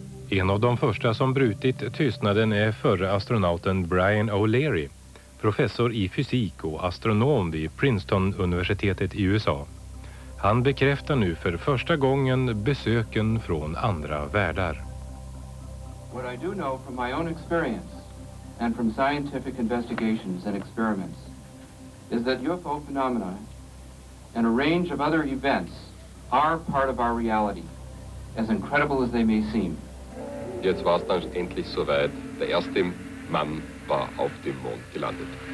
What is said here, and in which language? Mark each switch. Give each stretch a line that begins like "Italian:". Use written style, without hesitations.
Swedish: En av de första som brutit tystnaden är förre astronauten Brian O'Leary, professor i fysik och astronom vid Princeton-universitetet i USA. Han bekräftar nu för första gången besöken från andra världar.
English: What I do know from my own experience and from scientific investigations and experiments is that UFO phenomena and a range of other events are part of our reality, as incredible as they may seem.
German: Jetzt war es dann endlich soweit. Der erste Mann war auf dem Mond gelandet.